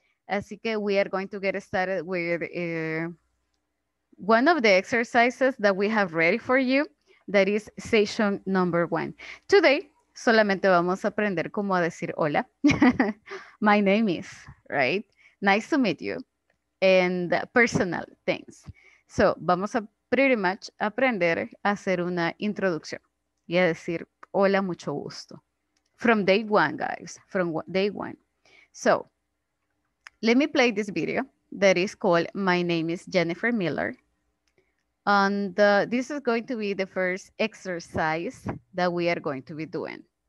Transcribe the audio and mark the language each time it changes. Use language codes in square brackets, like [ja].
[es] Así que [en] we are going to get started with one of the exercises that we have ready for you. That is session number one. Today, [es] solamente vamos a aprender cómo decir hola. [en] My name is, right? Nice to meet you. And personal things. [es] So, vamos a [en] pretty much [es] aprender a hacer una introducción y a decir hola, mucho gusto. [en] From day one, guys. From day one. So, let me play this video that is called My Name is Jennifer Miller. And this is going to be the first exercise that we are going to be doing.